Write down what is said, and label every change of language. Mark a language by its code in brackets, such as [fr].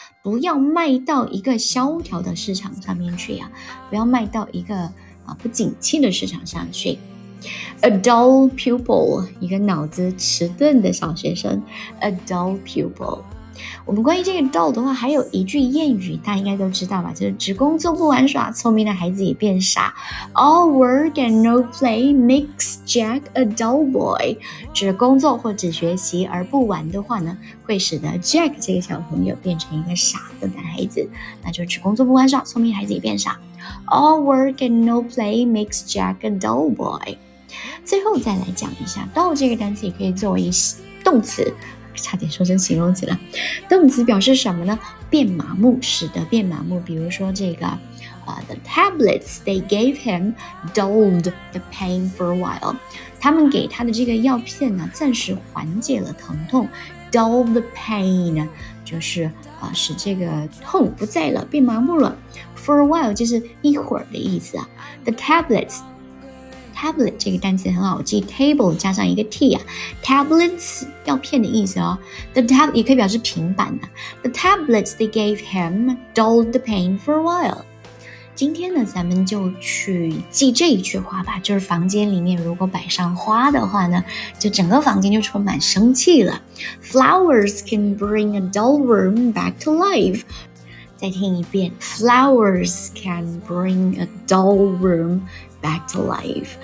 [zh] 不要卖到一个萧条的市场上面去啊，不要卖到一个不景气的市场上去。 [en] A dull pupil， [zh] 一个脑子迟钝的小学生。 [en] A dull pupil。 [zh] 我们关于这个 dull 的话还有一句谚语大家应该都知道吧，就是只工作不玩耍，聪明的孩子也变傻。 [en] All work and no play makes Jack a dull boy. [zh] 只工作或只学习而不玩的话呢，会使得 Jack 这个小朋友变成一个傻的男孩子，那就只工作不玩耍，聪明孩子也变傻。 [en] All work and no play makes Jack a dull boy. [zh] 最后再来讲一下 dull 这个单词也可以作为动词，差点说成形容词了。动词表示什么呢？变麻木，使得变麻木。比如说这个 [en] the tablets they gave him dulled the pain for a while. [zh] 他们给他的这个药片呢，暂时缓解了疼痛。 [en] Dull the pain [zh] 就是使这个痛不在了，变麻木了。 [en] For a while [zh] 就是一会儿的意思啊。 [en] The tablets. [zh] Tablet 这个单词很好记， table 加上一个 t 啊， tablets 药片的意思哦。 [en] The tab [zh] 也可以表示平板啊。 [en] The tablets they gave him dulled the pain for a while. [zh] 今天呢，咱们就去记这一句话吧，就是房间里面如果摆上花的话呢，就整个房间就充满生气了。 [en] Flowers can bring a dull room back to life. [zh] 再听一遍 [en] ,Flowers can bring a dull room back to life.